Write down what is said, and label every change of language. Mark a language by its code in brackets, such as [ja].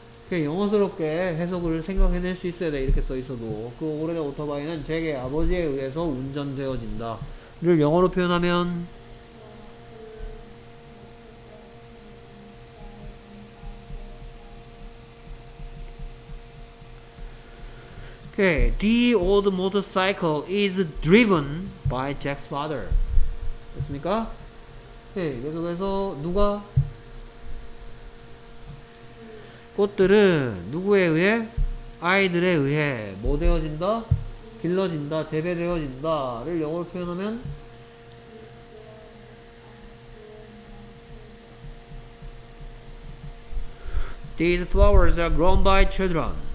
[ko] 영어스럽게 해석을 생각해낼 수 있어야 돼. 이렇게 써있어도 그 오래된 오토바이는 잭의 아버지에 의해서 운전되어진다 를 영어로 표현하면 okay. [en] The old motorcycle is driven by Jack's father. [ko] 됐습니까? 계속해서 누가 꽃들은 누구에 의해? 아이들에 의해 뭐 되어진다? 길러진다, 재배되어진다 를 영어로 표현하면 [en] These flowers are grown by children.